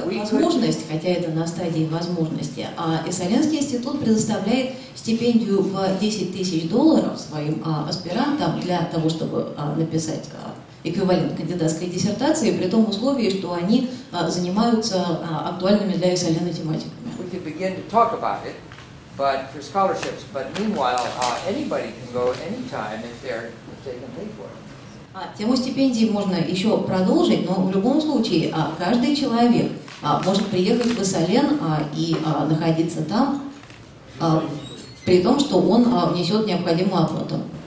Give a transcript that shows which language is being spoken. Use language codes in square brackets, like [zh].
[ru] Возможность, хотя это на стадии возможности, Иссалянский институт предоставляет стипендию в 10 тысяч долларов своим аспирантам для того, чтобы написать эквивалент кандидатской диссертации, при том условии, что они занимаются актуальными для Иссаляна тематиками. [en] We could begin to talk about it, but for scholarships, but meanwhile, anybody can go anytime if they can pay for it. [ru] Тему стипендии можно еще продолжить, но в любом случае каждый человек может приехать в Иссален и находиться там, при том, что он внесет необходимую оплату.